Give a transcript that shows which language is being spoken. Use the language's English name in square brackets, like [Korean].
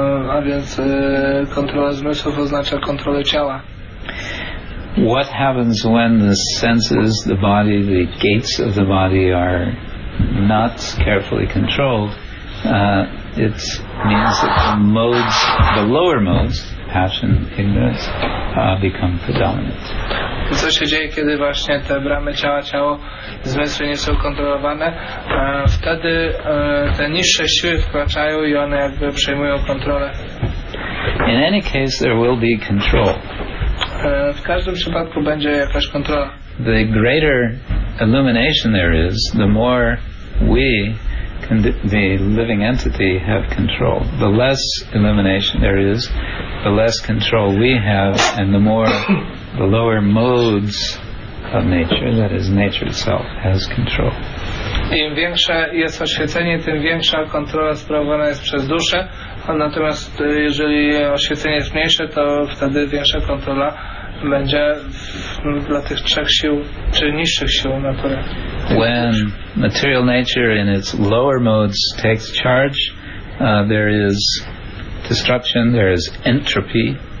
[Polish] A więc kontrola zmysłów oznacza kontrolę ciała. [English] What happens when the senses, the body, the gates of the body are not carefully controlled? It means that the lower modes, passion, ignorance, become predominant. [Polish] Co się dzieje, kiedy właśnie te bramy ciało, zmysły nie są kontrolowane? Wtedy te niższe siły wkraczają i one jakby przejmują kontrolę. [English] In any case, there will be control. [Polish] W każdym przypadku będzie jakaś kontrola. [English] The greater illumination there is, the more we and the living entity have control. The less illumination there is, the less control we have, and the more the lower modes of nature, that is nature itself, has control. [Polish] Im większe jest oświecenie, tym większa kontrola sprawowana jest przez duszę, natomiast jeżeli oświecenie jest mniejsze, to wtedy większa kontrola będzie dla tych trzech sił, czy niższych sił natury. [English] When material nature in its lower modes takes charge, there is destruction, there is entropy.